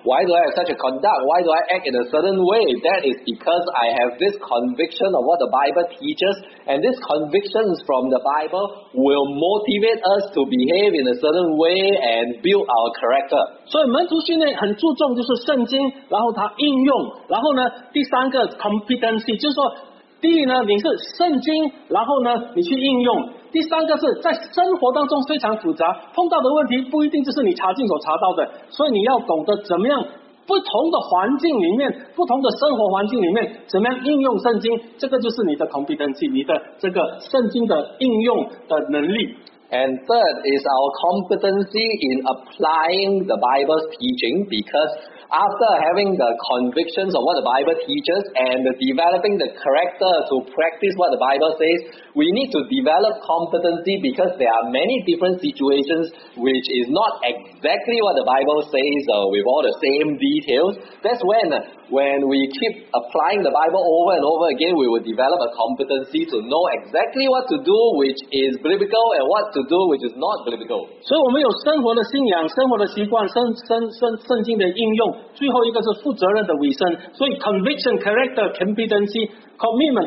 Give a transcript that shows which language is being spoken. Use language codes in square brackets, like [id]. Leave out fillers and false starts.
[en] Why do I have such a conduct? Why do I act in a certain way? That is because I have this conviction of what the Bible teaches, and this conviction from the Bible will motivate us to behave in a certain way and build our character. [zh] 所以门徒训练很注重就是圣经，然后它应用，然后呢，第三个 competency 就是说。第一呢，你是圣经，然后呢，你去应用。第三个是在生活当中非常复杂，碰到的问题不一定就是你查经所查到的，所以你要懂得怎么样不同的环境里面，不同的生活环境里面，怎么样应用圣经，这个就是你的 competency， 你的这个圣经的应用的能力。 [en] And third is our competency in applying the Bible's teaching because. After having the convictions of what the Bible teaches and developing the character to practice what the Bible says, we need to develop competency because there are many different situations which is not exactly what the Bible says with all the same details. That's when we keep applying the Bible over and over again, we will develop a competency to know exactly what to do which is biblical and what to do which is not biblical. [zh] 所以我们有生活的信仰、生活的习惯、圣经的应用。最后一个是负责任的尾声，所以 [en] conviction, character, competency, commitment.